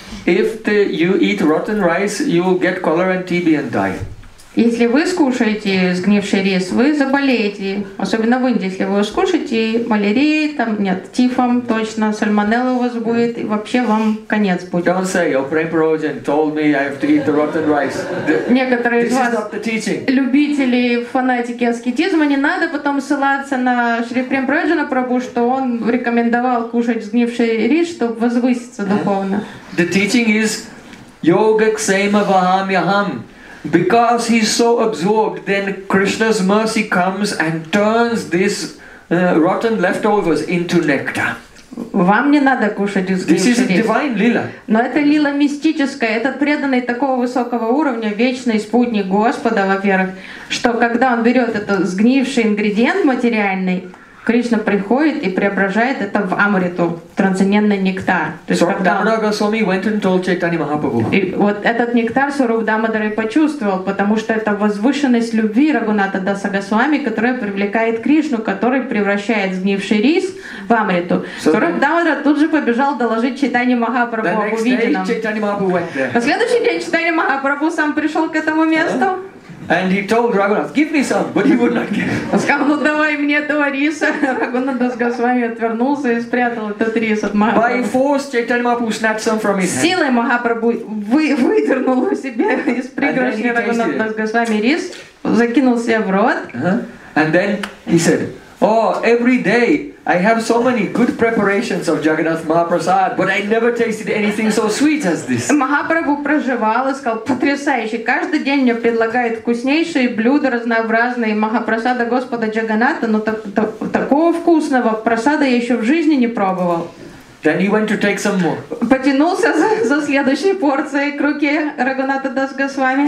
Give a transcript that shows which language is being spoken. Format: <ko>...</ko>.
<en>If you eat rotten rice, you will get cholera and TB and die.</en> <ru>Если вы скушаете сгнивший рис, вы заболеете. Особенно в Индии, если вы скушаете малярией, там нет, тифом точно, сальмонелла у вас будет, и вообще вам конец будет.</ru> <en>Don't say, your preparation told me I have to eat the rotten rice.</en> <ru>Некоторые</ru> <en>this</en> <ru>из вас, любители, фанатики аскетизма, не надо потом ссылаться на Шри Прембраджана Прабу, что он рекомендовал кушать сгнивший рис, чтобы возвыситься духовно.</ru> <en>The teaching is</en> <sa>Yoga Kshema Vaham Yaham.</sa> <en>Because he's so absorbed, then Krishna's mercy comes and turns these rotten leftovers into nectar.</en> <ru>Вам не надо кушать из</ru> <en>This is a divine lila.</en> <ru>Но это лила мистическая. Этот преданный такого высокого уровня, вечный спутник Господа, во-первых, что когда он берет этот сгнивший ингредиент материальный, Кришна приходит и преображает это в амриту, трансцендентный нектар.</ru> <en>Сарупдамадарасвами went and told Чайтанья Махапрабху.</en> <ru>И вот этот нектар Сарупдамадарой почувствовал, потому что это возвышенность любви Рагуната Даса Госвами, которая привлекает Кришну, который превращает сгнивший рис в амриту. Сарупдамадара тут же побежал доложить Чайтанье Махапрабху об увиденном. На следующий день Чайтанья Махапрабху сам пришел к этому месту.</ru> <en>And he told Raghunath, give me some, but he would not give.</en> <ru>Он сказал, ну давай мне этого риса. Рагунат Дас Госвами отвернулся и спрятал этот рис от Махапрабху.</ru> <en>By force, Чайтанья Махапрабху snatched some from his hand.</en> <ru>Силой Махапрабху выдернул у себя из пригоршни Рагунат Дас Госвами рис, закинул себе в рот.</ru> <en>And then he said, oh, every day I have so many good preparations of Jagannath Mahaprasad, but I never tasted anything so sweet as this.</en> <ru>Махапрабху проживал и сказал, потрясающе, каждый день мне предлагают вкуснейшие блюда разнообразные Махапрасада Господа Джаганнатха, но такого вкусного прасада я еще в жизни не пробовал.</ru> <en>Then he went to take some more.</en> <ru>Потянулся за следующей порцией к руке Рагунатха Дас Госвами.</ru>